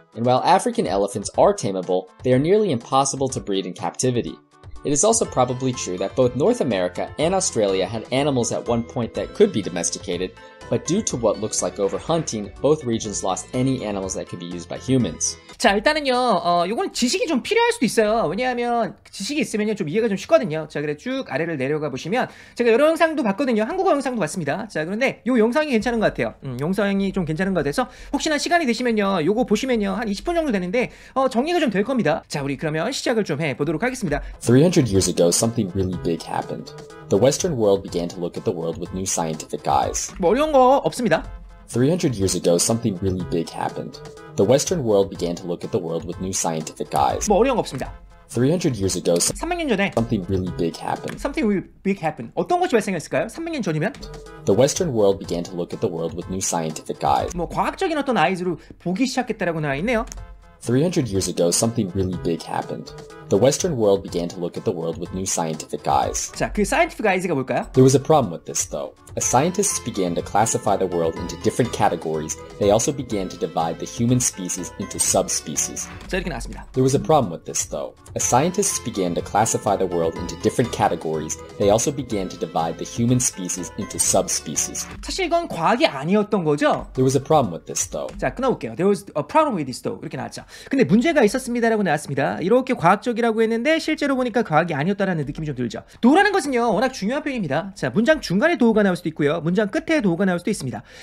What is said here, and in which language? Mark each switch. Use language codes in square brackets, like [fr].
[en] And while African elephants are tameable, they are nearly impossible to breed in captivity. It is also probably true that both North America and Australia had animals at one point that could be domesticated, but due to what looks like overhunting, both regions lost any animals that could be used by humans. [ko] 자, 일단은요, 요거는 지식이 좀 필요할 수도 있어요. 왜냐하면 지식이 있으면요, 좀 이해가 좀 쉽거든요. 자, 그래, 쭉 아래를 내려가 보시면, 제가 여러 영상도 봤거든요. 한국어 영상도 봤습니다. 자, 그런데 요 영상이 괜찮은 것 같아요. 영상이 좀 괜찮은 것 같아서, 혹시나 시간이 되시면요, 요거 보시면요, 한 20분 정도 되는데, 정리가 좀될 겁니다. 자, 우리 그러면 시작을 좀해 보도록 하겠습니다. [en] 300 years ago, something really big happened. The Western world began to look at the world with new scientific eyes. [ko] 뭐 어려운 거 없습니다. [en] 300 years ago, something really big happened. The Western world began to look at the world with new scientific eyes. [ko] 뭐 어려운 거 없습니다. [en] 300 years ago, [ko] 300년 전에 [en] something really big happened. Something really big happened. [ko] 어떤 것이 발생했을까요? 300년 전이면? [en] The Western world began to look at the world with new scientific eyes. [ko] 뭐 과학적인 어떤 아이즈로 보기 시작했다라고 나와 있네요. [en] 300 years ago, something really big happened. The Western world began to look at the world with new scientific eyes. [ko] 자, 그 [en] scientific eyes [ko] 가 뭘까요? [en] There was a problem with this, though. As scientists began to classify the world into different categories, they also began to divide the human species into subspecies. [ko] 자, 이렇게 나왔습니다. [en] There was a problem with this, though. As scientists began to classify the world into different categories, they also began to divide the human species into subspecies. [ko] 사실 이건 과학이 아니었던 거죠? [en] There was a problem with this, though. [ko] 자, 끊어볼게요. [en] There was a problem with this, though. [ko] 이렇게 나왔죠. 근데 문제가 있었습니다라고 나왔습니다. 이렇게 과학 과학적이라고 했는데 실제로 보니까 과학이 아니었다라는 느낌이 좀 들죠. 도라는 것은요 워낙 중요한 표현입니다. 자, 문장 중간에 도어가 나올 수도 있고요, 문장 끝에 도어가 나올 수도 있습니다.